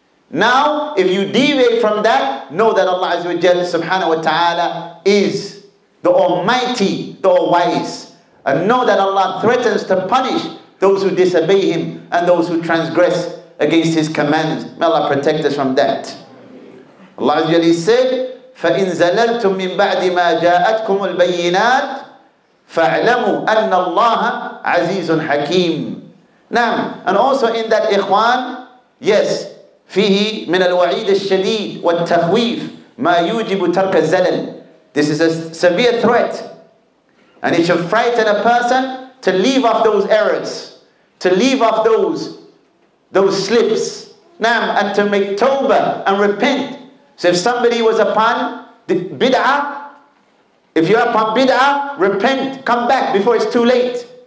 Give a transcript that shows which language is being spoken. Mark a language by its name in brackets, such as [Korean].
[English] Now, if you deviate from that, know that Allah Azza wa Jalla subhanahu wa ta'ala is the Almighty, the All-Wise. And know that Allah threatens to punish those who disobey Him and those who transgress against His commands. May Allah protect us from that. Allah Azza wa Jalla said, [Arabic] فَإِنْ زَلَلْتُمْ مِنْ بَعْدِ مَا جَاءَتْكُمُ الْبَيِّنَاتِ فَاعْلَمُوا أَنَّ اللَّهَ عَزِيزٌ حَكِيمٌ. نعم. [English] And also in that, Ikhwan, yes, [Arabic] فيه من الوعيد الشديد والتخويف ما يوجب ترك الزلل. [English] This is a severe threat. And it should frighten a person to leave off those errors, to leave off those slips. [Arabic] نعم. [English] And to make tawbah and repent. So if somebody was upon the bid'ah, if you're upon bid'ah, repent, come back before it's too late.